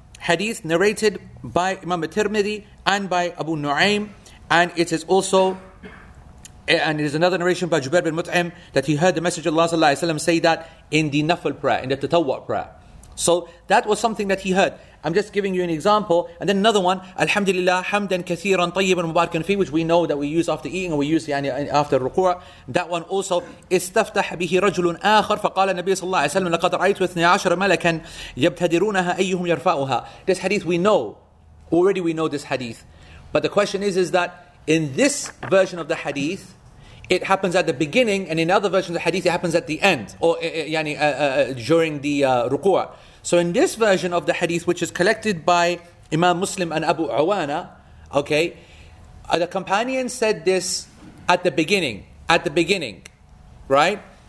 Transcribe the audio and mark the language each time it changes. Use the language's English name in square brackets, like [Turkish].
[English] Hadith narrated by Imam Tirmidhi and by Abu Nu'aym, and it is also, and it is another narration by Jubair bin Mut'im, that he heard the Messenger of Allah ﷺ say that in the Nafl prayer, in the Tatawwa' prayer. So that was something that he heard. I'm just giving you an example. And then another one, [Arabic] Alhamdulillah, hamdan kathiran tayyiban mubarakan fi, [English] which we know that we use after eating, or we use يعني, after ruku'. That one also, [Arabic] استفتح به رجل آخر فقال النبي صلى الله عليه وسلم لقد رأيت 12 ملكا يبتدرونها أيهم يرفعها. [English] This hadith we know. Already we know this hadith. But the question is that in this version of the hadith, it happens at the beginning, and in other versions of the hadith, it happens at the end, or during the ruku'. So in this version of the hadith, which is collected by Imam Muslim and Abu Awana, okay, the companion said this at the beginning, right?